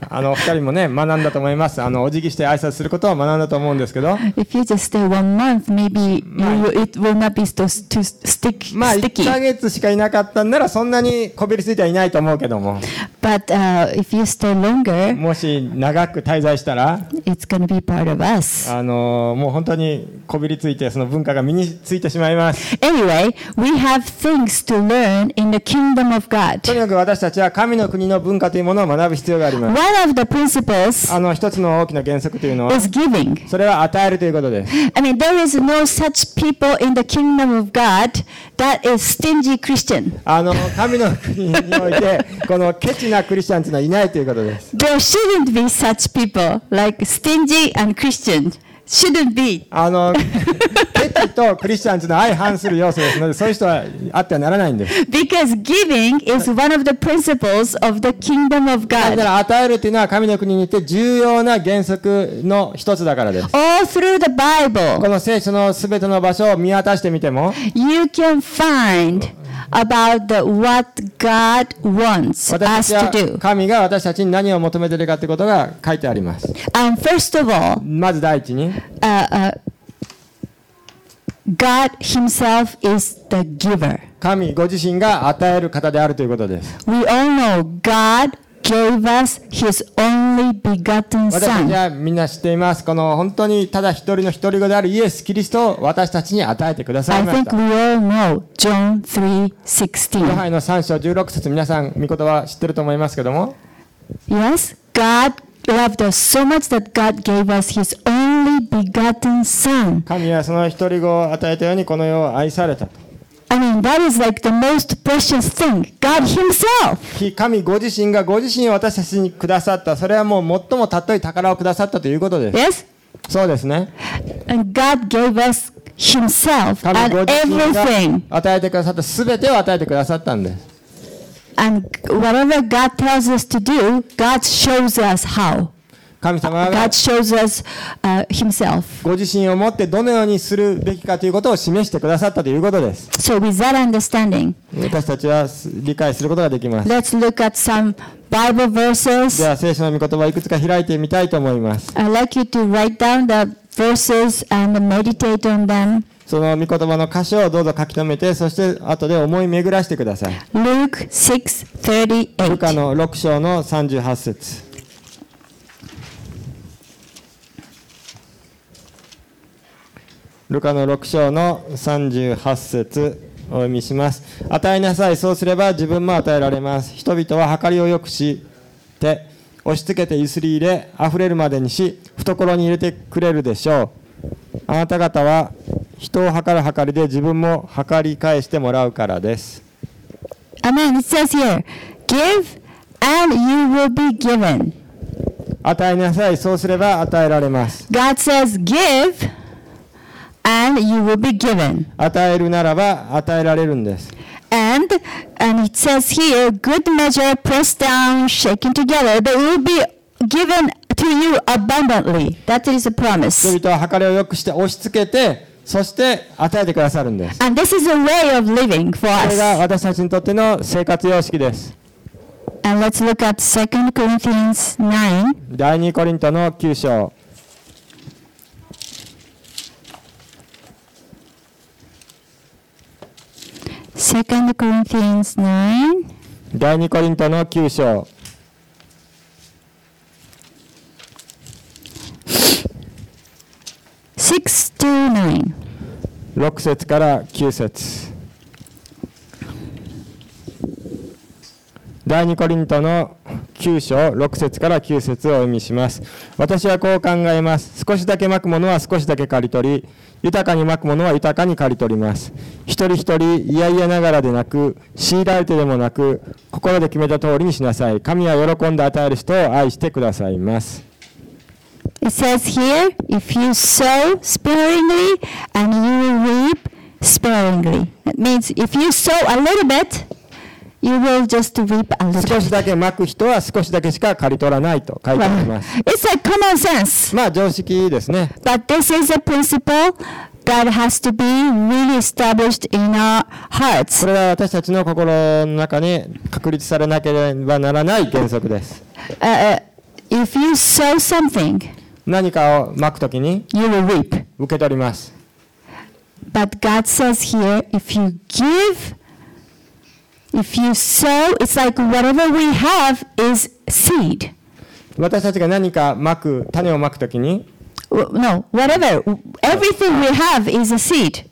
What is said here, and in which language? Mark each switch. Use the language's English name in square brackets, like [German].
[Japanese] お二人もね学んだと思います。あのお辞儀して挨拶することを学んだと思うんですけど。 [English] If you just stay one month, maybe it will not be too sticky. [Japanese] まあ1ヶ月しかいなかったんならそんなにこびりついてはいないと思うけども。 [English] But if you stay longer, [Japanese] もし長く滞在したら、 [English] it's going to be part of us. [Japanese] あのもう本当にこびりついてその文化が身についてしまいます。 [English] Anyway, we have things to learn in the kingdom of God. [Japanese] とにかく私たちは神の国の文化というものを学ぶ必要があります。 [English] One of the principles, [Japanese] あの一つの大きな原則というのは、 [English] is giving. [Japanese] それは与えるということです。 [English] I mean, there is no such people in the kingdom of God that is stingy Christian. [Japanese] あの神の国においてこのケチなクリスチャンというのはいないということです。 [English] There shouldn't be such people like stingy and Christian. Shouldn't be. [Japanese] あのケチとクリスチャンというのは相反する要素ですのでそういう人はあってはならないんです。 [English] Because giving is one of the principles of the kingdom of God. [Japanese] だから与えるというのは神の国にいて重要な原則の一つだからです。 [English] All through the Bible, [Japanese] この聖書のすべての場所を見渡してみても、 [English] you can find about the what God wants us to do. [Japanese] 私たちは神が私たちに何を求めているかということが書いてあります。 [English] And first of all, [Japanese] まず第一に、 [English] God Himself is the giver. [Japanese] 神ご自身が与える方であるということです。 [English] We all know God gave us His only begotten Son. [Japanese] 私たちはみんな知っています。この本当にただ一人の一人子であるイエス・キリストを私たちに与えてくださいました。 [English] I think we all know John 3:16. [Japanese] ヨハネの3章16節、皆さん御言葉は知ってると思いますけども。 [English] Yes, God loved us so much that God gave us His only begotten Son. [Japanese] 神はその一人子を与えたようにこの世を愛されたと。 [English] I mean, that is like the most precious thing. God Himself. [Japanese] 神ご自身がご自身を私たちにくださった。それはもう最も尊い宝をくださったということです。 [English] Yes. [Japanese] そうですね。 [English] And God gave us Himself and everything. [Japanese] 与えてくださったすべてを与えてくださったんです。 [English] And whatever God tells us to do, God shows us how. [Japanese] 神様が [English] God shows us, himself. [Japanese] ご自身をもってどのようにするべきかということを示してくださったということです。 [English] So with that understanding, [Japanese] 私たちは理解することができます。 [English] Let's look at some Bible verses. [Japanese] では聖書の御言葉をいくつか開いてみたいと思います。 [English] I'd like you to write down the verses and meditate on them. [Japanese] その御言葉の箇所をどうぞ書き留めて、そして後で思い巡らしてください。 [English] Luke 6:38. [Japanese] ルカの6章の38節。ルカの6章の38節を読みします。与えなさい、そうすれば自分も与えられます。人々は計りをよくして、押し付けてゆすり入れ、あふれるまでにし、懐に入れてくれるでしょう。あなた方は人を計る計りで自分も計り返してもらうからです。 [English] Amen. It says here, give and you will be given. [Japanese] 与えなさい、そうすれば与えられます。 [English] God says give and you will be given。 [Japanese] 与えるならば与えられるんです。 [English] And it says here, good measure, pressed down, shaken together, they will be given to you abundantly. That is a promise. [Japanese] 人々は計りを良くして押し付けて、そして与えてくださるんです。 [English] And this is a way of living for us. [Japanese] これが私たちにとっての生活様式です。 [English] And let's look at 2 Corinthians 9. [Japanese] 第二コリントの9章。 [English] 2 Corinthians 9. [Japanese] 第二コリントの9章。 [English] 6 to 9. [Japanese] 6節から9節。第二コリントの9章6節から9節をお読みします。私はこう考えます。少しだけ蒔くものは少しだけ刈り取り、豊かに蒔くものは豊かに刈り取ります。一人一人いやいやながらでなく、強いられてでもなく、心で決めた通りにしなさい。神は喜んで与える人を愛してくださいます。 [English] It says here, if you sow sparingly and you will reap sparingly. That means if you sow a little bit,You will just reap a little. [Japanese] 少しだけ蒔く人は少しだけしか刈り取らないと書いてあります。 [English] Well, it's a common sense. [Japanese] まあ常識ですね。 [English] But this is a principle that has to be really established in our hearts. [Japanese] これは私たちの心の中に確立されなければならない原則です。 [English] If you sow something, [Japanese] 何かを蒔くときに、 [English] you will reap. [Japanese] 受け取ります。 [English] But God says here, if you give. If you sow, it's like whatever we have is seed. [Japanese] 私たちが何かまく種をまくときに、 [English] No, whatever, everything we have is a seed.